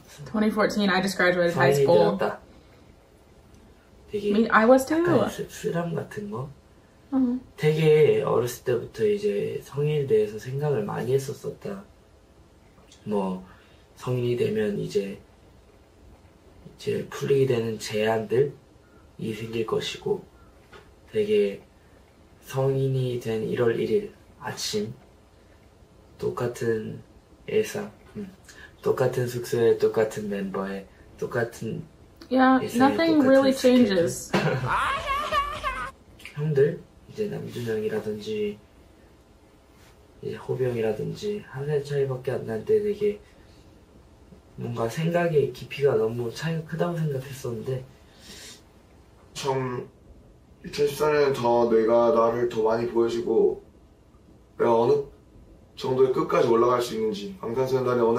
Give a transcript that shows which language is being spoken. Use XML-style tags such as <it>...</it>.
<en>2014, I just graduated high school.</en> <ko>되게</ko> <en>I was too.</en> <ko>약간 쓰람 같은 거? 되게 어렸을 때부터 이제 성인에 대해서 생각을 많이 했었었다. 뭐 성인이 되면 이제 풀리게 되는 제한들이 생길 것이고 되게 성인이 된 1월 1일 아침 똑같은 예상 똑같은 숙소에 똑같은 멤버에 똑같은</ko> <en>Yeah, nothing really changes.</en> <ko>형들 이제 남준 형이라든지 이제 호비 형이라든지 한 살 차이밖에 안 나는데 되게 뭔가 생각의 깊이가 너무 차이가 크다고 생각했었는데 좀 2014년 더 내가 나를 더 많이 보여주고 내가 어느 정도의 끝까지 올라갈 수 있는지 방탄소년단이 어느</ko>